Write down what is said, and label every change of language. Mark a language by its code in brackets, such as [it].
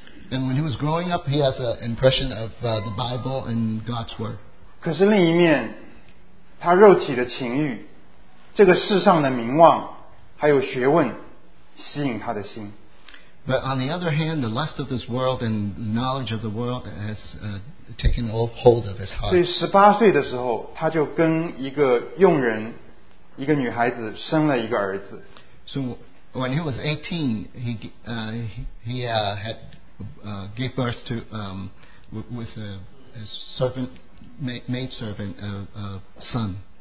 [en] And when he was growing up, he has an impression of the Bible and God's Word. [zh] 可是另一面, 他肉体的情欲, 这个世上的名望, 还有学问, 吸引他的心。 [en] But on the other hand, the lust of this world and knowledge of the world has taken hold of his heart. [zh] 所以18岁的时候, 他就跟一个女孩子生了一个儿子。 [en] So when he was 18, he had... gave birth to with a servant maid servant a son.